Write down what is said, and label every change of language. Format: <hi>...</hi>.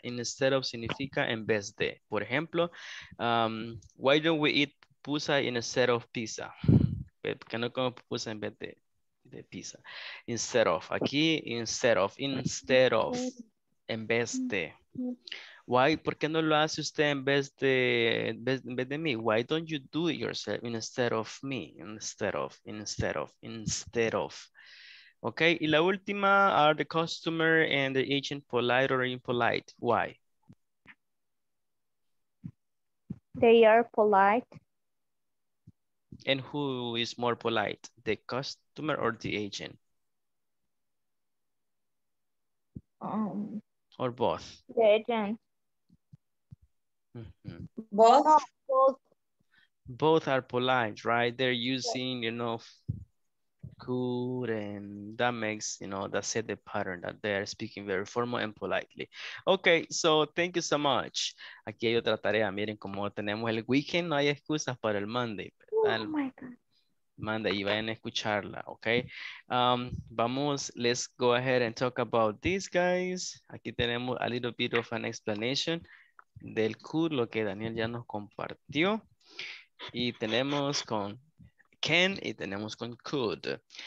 <en>Instead of</en> <es>significa en vez de. Por ejemplo,</es> <en>why don't we eat pizza instead of pizza?</en> <es>Porque no como pizza en vez de pizza.</es> <en>Instead of.</en> <es>Aquí,</es> <en>instead of. Instead of.</en> <es>En vez de.</es> <en>Why,</en> <es>¿por qué no lo hace usted en vez de mí?</es> <en>Why don't you do it yourself instead of me? Instead of. Okay,</en> <es>y la última,</es> <en>are the customer and the agent polite or impolite? Why? They are polite. And who is more polite, the customer or the agent? Or both? The agent. Both are polite, right? They're using, you know, good, and that makes, you know, that set the pattern that they're speaking very formal and politely. Okay, so thank you so much.</en> <es>Aquí hay otra tarea. Miren cómo tenemos el weekend. No hay excusas para el Monday.</es> <en>Oh my God.</en> <es>Monday, y vayan a escucharla, okay? Vamos,</es> <en>let's go ahead and talk about these guys.</en> <es>Aquí tenemos</es> <en>a little bit of an explanation.</en> <es>del could, lo que Daniel ya nos compartió. Y tenemos con can y tenemos con could.</es>